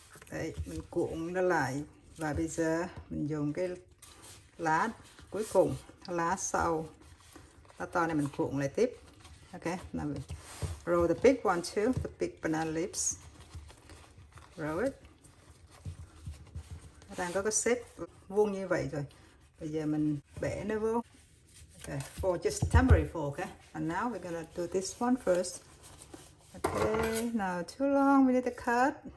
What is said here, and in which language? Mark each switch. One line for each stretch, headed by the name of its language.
Vietnamese: Đấy, mình cuộn nó lại. Và bây giờ mình dùng cái lá cuối cùng, lá sau, lá to này mình cuộn lại tiếp.
English: Ok, now roll the big one too, the big banana leaves. Roll it.
Vietnamese: Đang có cái xếp vuông như vậy rồi. Bây giờ mình bẻ nó vô.
English: Ok, for just temporary fork. Okay? And now we're gonna do this one first. Ok, now too long, we need to cut.